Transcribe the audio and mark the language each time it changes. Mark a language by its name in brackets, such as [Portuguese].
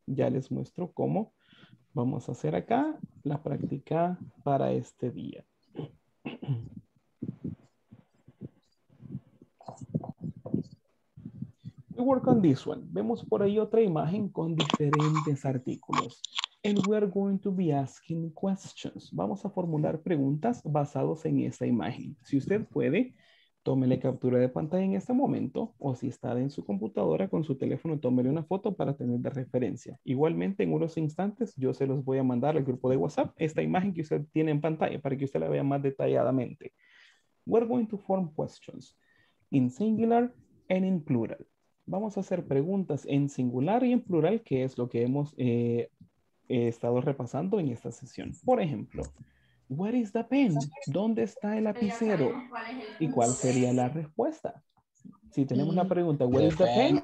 [Spanish] Ya les muestro cómo vamos a hacer acá la práctica para este día. [English] We work on this one. [Spanish] Vemos por ahí otra imagen con diferentes artículos. [English] And we are going to be asking questions. [Spanish] Vamos a formular preguntas basadas en esta imagen. Si usted puede, tómele captura de pantalla en este momento, o si está en su computadora con su teléfono, tómele una foto para tener de referencia. Igualmente, en unos instantes, yo se los voy a mandar al grupo de WhatsApp esta imagen que usted tiene en pantalla para que usted la vea más detalladamente. [English] We're going to form questions in singular and in plural. [Spanish] Vamos a hacer preguntas en singular y en plural, que es lo que hemos estado repasando en esta sesión. Por ejemplo, [English] where is the pen? [Spanish] ¿Dónde está el lapicero? ¿Y cuál sería la respuesta? Si tenemos la pregunta, [English] where is the pen?